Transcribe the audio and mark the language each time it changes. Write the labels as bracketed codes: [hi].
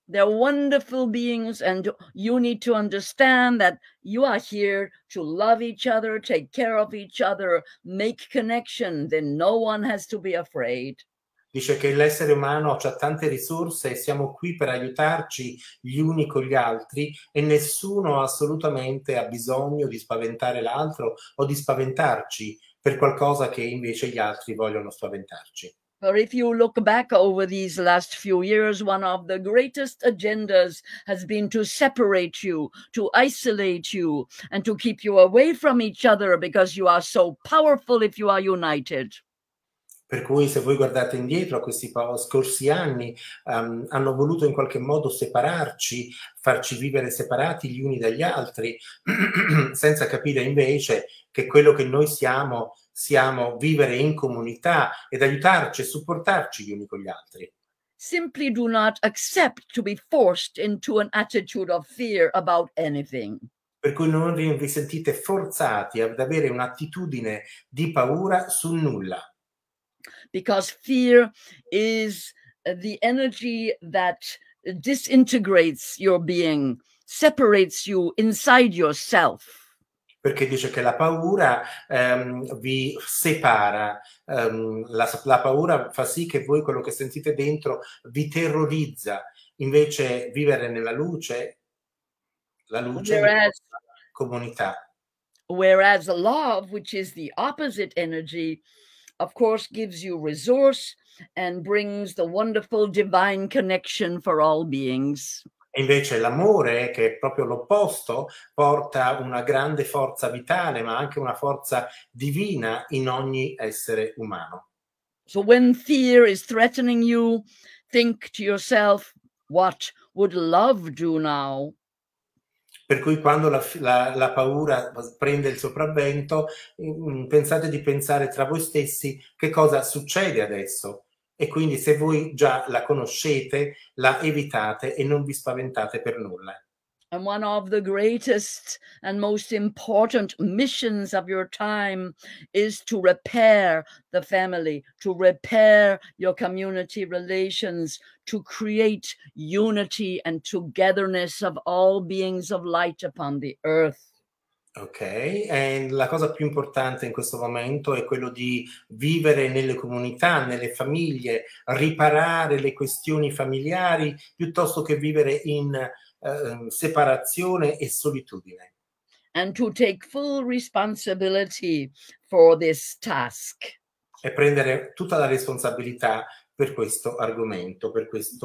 [en] They're wonderful beings, and you need to understand that you are here to love each other, take care of each other, make connection. Then no one has to be afraid. [it] Dice che l'essere umano ha tante risorse e siamo qui per aiutarci gli uni con gli altri, e nessuno assolutamente ha bisogno di spaventare l'altro o di spaventarci per qualcosa che invece gli altri vogliono spaventarci. [en] But if you look back over these last few years, one of the greatest agendas has been to separate you, to isolate you, and to keep you away from each other, because you are so powerful if you are united. [it] Per cui, se voi guardate indietro a questi scorsi anni, hanno voluto in qualche modo separarci, farci vivere separati gli uni dagli altri, senza capire invece che quello che noi siamo, siamo vivere in comunità ed aiutarci e supportarci gli uni con gli altri. [en] Simply do not accept to be forced into an attitude of fear about anything. [it] Per cui non vi sentite forzati ad avere un'attitudine di paura su nulla. [en] Because fear is the energy that disintegrates your being, separates you inside yourself. [it] Perché dice che la paura vi separa, la paura fa sì che voi quello che sentite dentro vi terrorizza, invece vivere nella luce, la luce è la comunità. [en] Whereas love, which is the opposite energy, of course gives you resource and brings the wonderful divine connection for all beings. [it] Invece l'amore, che è proprio l'opposto, porta una grande forza vitale, ma anche una forza divina in ogni essere umano. [en] So when fear is threatening you, think to yourself, what would love do now? [it] Per cui quando la paura prende il sopravvento, pensate di pensare tra voi stessi che cosa succede adesso. E quindi se voi già la conoscete, la evitate e non vi spaventate per nulla. [en] And one of the greatest and most important missions of your time is to repair the family, to repair your community relations, to create unity and togetherness of all beings of light upon the earth. [it] Ok, e la cosa più importante in questo momento è quello di vivere nelle comunità, nelle famiglie, riparare le questioni familiari piuttosto che vivere in separazione e solitudine. [en] And to take full responsibility for this task. [it] E prendere tutta la responsabilità per questo argomento, per questo